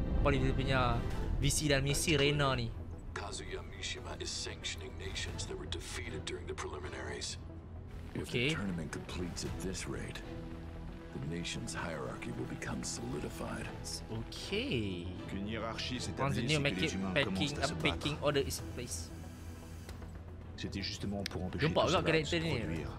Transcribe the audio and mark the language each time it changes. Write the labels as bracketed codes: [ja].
[ms] Apa dia punya visi dan misi Reina ni. [en] Kazuya Mishima is sanctioning nations that were defeated during the preliminaries. Okay. If the tournament completes at this rate, the nation's hierarchy will become solidified. Okay. [fr] Une hiérarchie s'établit et les humains commencent à se battre. [en] Pecking order is place. [fr] C'était justement pour empêcher que cela se produire.